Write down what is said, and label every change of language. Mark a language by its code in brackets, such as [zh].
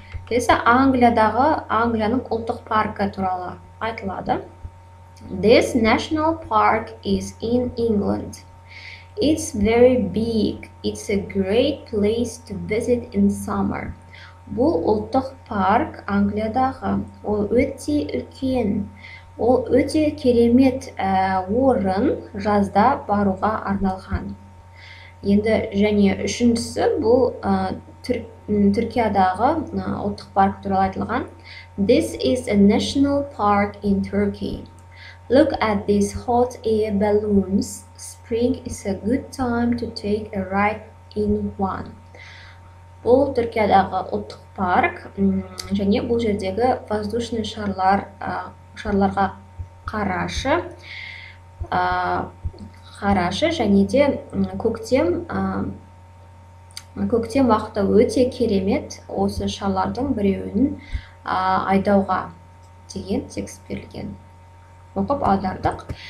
[kk] Келесі Англиядағы Англияның ұлттық паркі туралы айтылады. [en] This national park is in England. It's very big. It's a great place to visit in summer. [kk] Бұл ұлттық парк Англиядағы. Ол өте үлкен. Ол өте керемет орын жазда баруға арналған. Енді және үшіншісі бұл Түркиядағы ұлттық парк туралы айтылған. [en] This is a national park in Turkey. Look at these hot air balloons. Spring is a good time to take a ride in one. [kk] Бұл Түркиядағы ұлттық парк және бұл жердегі воздушный шарларға қарашы және де көктем уақыты өте керемет осы шарлардың біреуін айдауға деген текст берілген. Оқып аудардық.